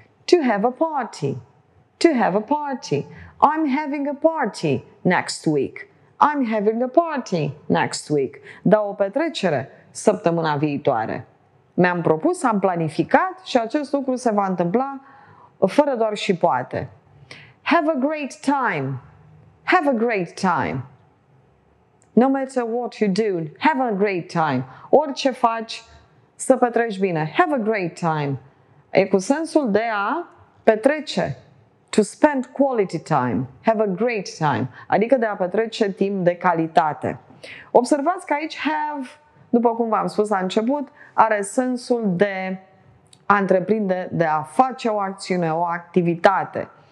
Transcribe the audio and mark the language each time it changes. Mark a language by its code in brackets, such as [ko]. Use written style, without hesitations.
[en] To have a party. To have a party. I'm having a party next week. I'm having a party next week. [ro] Da o petrecere săptămâna viitoare. Mi-am propus, am planificat și acest lucru se va întâmpla fără doar și poate. [en] Have a great time. Have a great time. No matter what you do, have a great time. [ro] Orice faci, să petreci bine. [en] Have a great time. [ro] E cu sensul de a petrece. [en] To spend quality time. Have a great time. [ro] Adică de a petrece timp de calitate. Observați că aici have, după cum v-am spus la început, are sensul de a întreprinde, de a face o acțiune, o activitate.